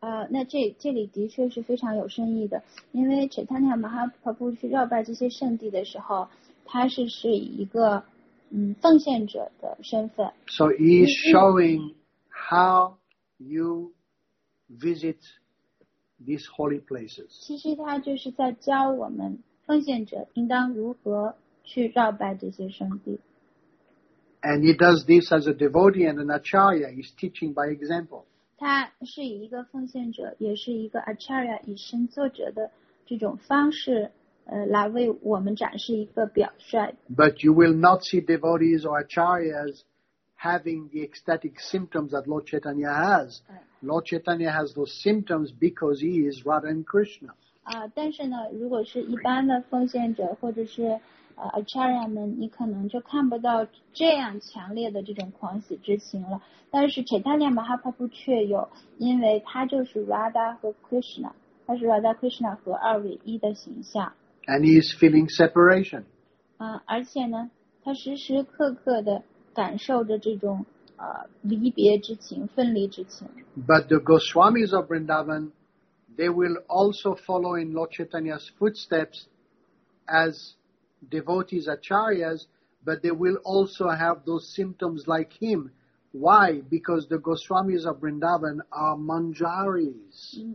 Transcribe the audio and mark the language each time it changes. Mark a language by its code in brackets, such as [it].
[zh] 那这里的确是非常有深意的，因为 Chaitanya Mahaprabhu 去绕拜这些圣地的时候，他是一个奉献者的身份。 [en] So he is showing how you visit these holy places. [zh] 其实他就是在教我们奉献者应当如何去绕拜这些圣地。 [en] And he does this as a devotee and an acharya. He's teaching by example. [zh] 他是以一个奉献者，也是一个 acharya 以身作则的这种方式，来为我们展示一个表率。 [en] But you will not see devotees or acharyas having the ecstatic symptoms that Lord Chaitanya has. Lord Chaitanya has those symptoms because he is Radha and Krishna. [zh] 但是呢，如果是一般的奉献者或者是acharya 们，你可能就看不到这样强烈的这种狂喜之情了。但是 Chaitanya Mahaprabhu 却有，因为他就是 Radha 和 Krishna， 他是 Radha Krishna 和二为一的形象。 [en] And he is feeling separation. [zh] 而且呢，他时时刻刻的感受着这种离别之情、分离之情。 [en] But the Goswamis of Vrindavan, they will also follow in Lord Chaitanya's footsteps as devotees, acharyas, but they will also have those symptoms like him. Why? Because the Goswamis of Vrindavan are manjaris.